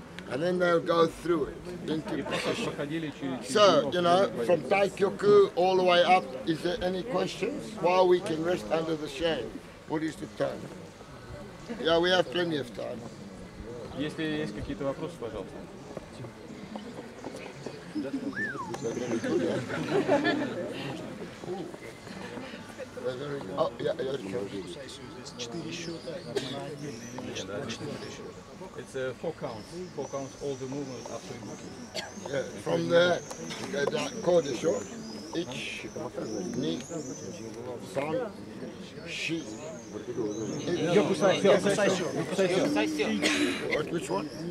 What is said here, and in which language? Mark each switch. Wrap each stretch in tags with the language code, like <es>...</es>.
<en>And then they'll go through it, thinking position. So, you know, from Daikyoku all the way up, is there any questions? While we can rest under the shade, what is the time? Yeah, we have plenty of time.</en> <ru>Если есть какие-то вопросы, пожалуйста.</ru> <en>Oh, yeah,</en> <ru>четыре счета, на один или на четыре счета.</ru> <en>It's a four counts. Four counts all the movements after you book it. Yeah, from the code, sure. Each</en> <ja>ni san shi. Гэкисай Сё. Гэкисай Сё. Гэкисай Сё.</ja> <en>What, which one?</en>